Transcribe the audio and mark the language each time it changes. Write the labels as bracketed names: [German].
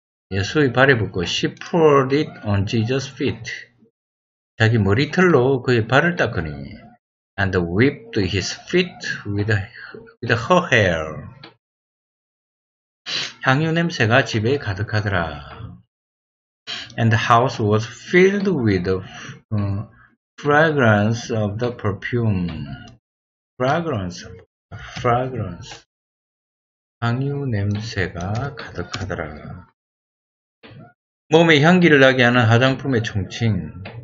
[Korean] 예수의 발에 붙고 [English] she poured it on Jesus' feet. [Korean] 자기 머리털로 그의 발을 닦으니 [English] and wiped his feet with her hair. [Korean] 향유 냄새가 집에 가득하더라. [English] And the house was filled with the fragrance of the perfume. Fragrance. [Korean] 향유 냄새가 가득하더라. 몸에 향기를 나게 하는 화장품의 총칭.